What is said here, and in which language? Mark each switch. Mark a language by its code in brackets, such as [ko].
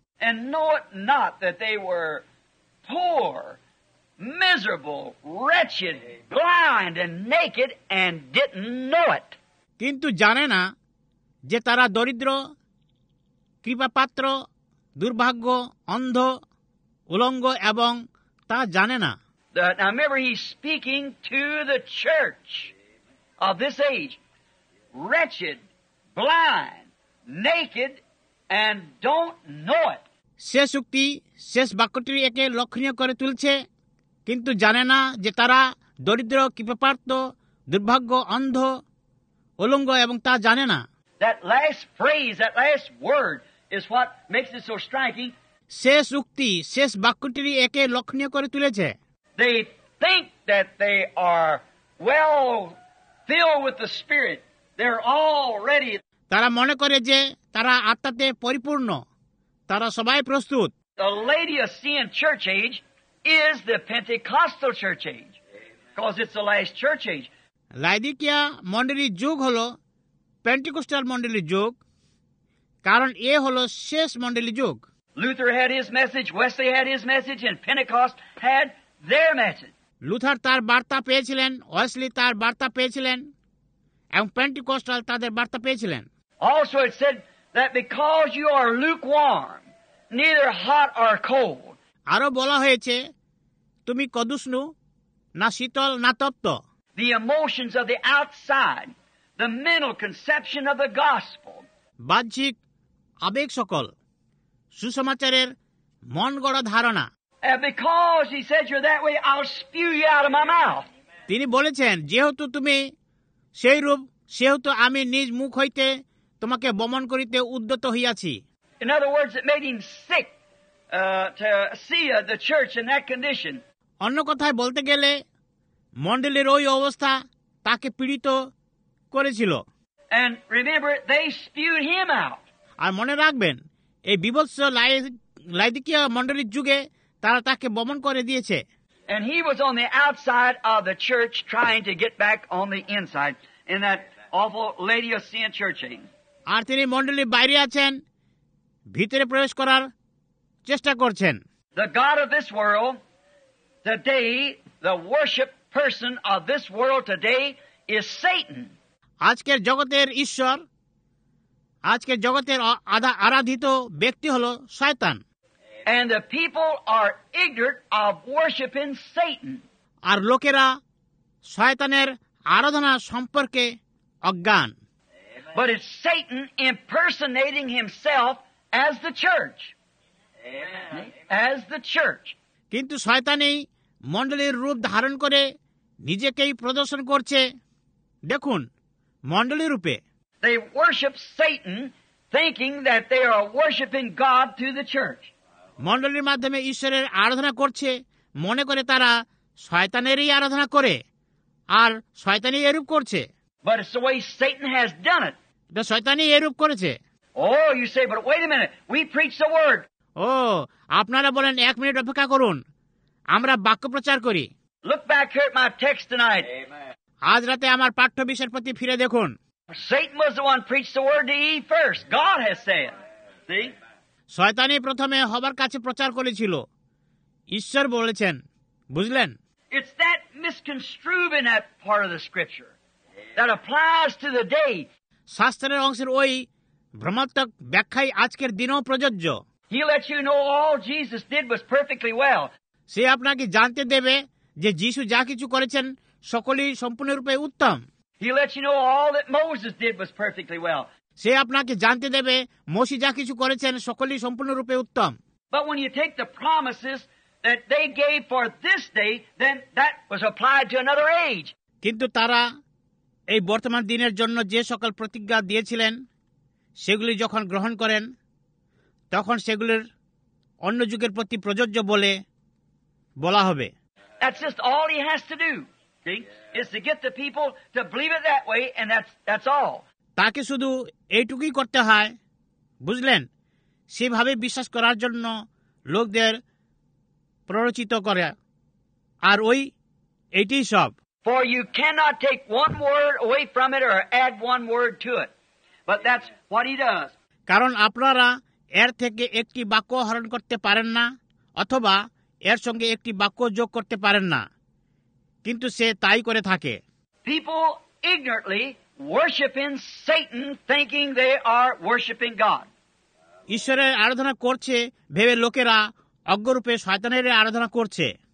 [en] And know it not that they were poor, miserable, wretched, blind and naked and didn't know it. [bn] কিন্তু জানে না যে তারা দরিদ্র, কৃপাপাত্র দুর্ভাগ্য অন্ধ উলঙ্গ এবং তা জানে না। [en] Now remember, he's speaking to the church of this age, wretched, blind, naked, and don't know it. [bn] শেষ উক্তি শেষ বাক্যটির একে লক্ষণীয় করে তুলছে, কিন্তু জানে না যে তারা দরিদ্র, কৃপাপ্রাপ্ত, দুর্ভাগ্য, অন্ধ, উলঙ্গ এবং তা জানে না। [en] That last phrase, that last word is what makes it so striking. [bn] শেষ উক্তি শেষ বাক্যটির একে লক্ষণীয় করে তুলেছে। [en] They think that they are well filled with the Spirit. They're already. [bn] তারা মনে করে যে তারা আত্মাতে পরিপূর্ণ, তারা সবাই প্রস্তুত। [en] The Laodicean church age is the Pentecostal church age, because it's the last church age. [bn] লাইদিকিয়া মণ্ডলীর যুগ হলো পেন্টিকোস্টাল মণ্ডলীর যুগ, কারণ এ হলো শেষ মণ্ডলীর যুগ। [en] Luther had his message, Wesley had his message, and Pentecost had their message. [bn] Luther তার বার্তা পেয়েছিলেন, ওয়েসলি তার বার্তা পেয়েছিলেন এবং পেন্টিকোস্টাল তাদের বার্তা পেয়েছিলেন। [en] Also it said that because you are lukewarm, neither hot or cold. [bn] আরো বলা হয়েছে তুমি কদুষ্ণু, না শীতল না তপ্ত। [en] The emotions of the outside, the mental conception of the gospel. [bn] বাহ্যিক আবেগ সকল, সুসমাচারের মন গড়া ধারণা। [en] And because he said you're that way, I'll spew you out of my mouth. [bn] তিনি বলেছেন যেহেতু তুমি সেই রূপ, সেহেতু আমি নিজ মুখ হইতে তোমাকে বমন করিতে উদ্যত হইয়াছি। [en] In other words, it made him sick to see the church in that condition. [bn] অন্য কথায় বলতে গেলে মণ্ডলীর ওই অবস্থা তাকে পীড়িত করেছিল। [en] And remember, they spewed him out. [bn] আর মনে রাখবেন এই বীভৎস লাওদিকিয়া মণ্ডলীর যুগে তারা তাকে বমন করে দিয়েছে। [en] And he was on the outside of the church trying to get back on the inside in that awful Laodicean church age. [bn] আর তিনি মণ্ডলীর বাইরে আছেন, ভিতরে প্রবেশ করার চেষ্টা করছেন। [en] The god of this world today, the worship person of this world today is Satan. [bn] আজকের জগতের ঈশ্বর, আজকের জগতের আরাধিত ব্যক্তি হলো শয়তান। [en] And the people are ignorant of worshiping Satan. [bn] আর লোকেরা শয়তানের আরাধনা সম্পর্কে অজ্ঞান। [en] But it's Satan impersonating himself as the church. Amen. As the church. [bn] কিন্তু শয়তানই মণ্ডলীর রূপ ধারণ করে নিজেকেই প্রদর্শন করছে, দেখুন মণ্ডলীর রূপে। [en] They worship Satan thinking that they are worshiping God through the church. [bn] মণ্ডলীর মাধ্যমে ঈশ্বরের আরাধনা করছে, মনে করে তারা শয়তানেরই আরাধনা করে আর শয়তানই এরূপ করছে। [en] But it's the way Satan has done it. [bn] শয়তানই এরূপ করেছে। [en] Oh, you say, but wait a minute, we preach the word. [bn] আপনারা বলেন এক মিনিট অপেক্ষা করুন, আমরা বাক্য প্রচার করি। [en] Look back here at my text tonight. Amen. [bn] আজ রাতে আমার পাঠ্য বিষয়ের প্রতি ফিরে দেখুন। [en] Satan was the one who preached the word to Eve first. God has said. See? [bn] শয়তানই প্রথমে হবার কাছে প্রচার করেছিল, ঈশ্বর বলেছেন, বুঝলেন? [en] It's that misconstrued in that part of the scripture that applies to the day. [bn] শাস্ত্রের অংশের ওই ভ্রমাত্মক ব্যাখ্যাই আজকের দিনেও প্রযোজ্য। [en] He lets you know all Jesus did was perfectly well. [bn] সে আপনাকে জানতে দেবে যে যীশু যা কিছু করেছেন সকলই সম্পূর্ণরূপে উত্তম। [en] He lets you know all that Moses did was perfectly well. [bn] সে আপনাকে জানতে দেবে মোশি যা কিছু করেছেন সকলই সম্পূর্ণরূপে উত্তম। [en] But when you take the promises that they gave for this day, then that was applied to another age. [bn] কিন্তু তারা এই বর্তমান দিনের জন্য যে সকল প্রতিজ্ঞা দিয়েছিলেন সেগুলি যখন গ্রহণ করেন তখন সেগুলির অন্য যুগের প্রতি প্রযোজ্য বলে বলা হবে। [en] That's just all he has to do. Is to get the people to believe it that way, and that's all. [bn] তাকে শুধু এইটুকুই করতে হয়, বুঝলেন, সেভাবে বিশ্বাস করার জন্য লোকদের প্ররোচিত করে, আর ওই এইটি সব। [en] For you cannot take one word away from it or add one word to it. But that's what he does. [bn] কারণ আপনারা এর থেকে একটি বাক্য হরণ করতে পারেন না অথবা এর সঙ্গে একটি বাক্য যোগ করতে পারেন না, কিন্তু সে তাই করে থাকে। [en] People ignorantly worshiping Satan, thinking they are worshiping God. [bn] ঈশ্বরের আরাধনা করছে ভেবে লোকেরা অজ্ঞরূপে শয়তানের আরাধনা করছে।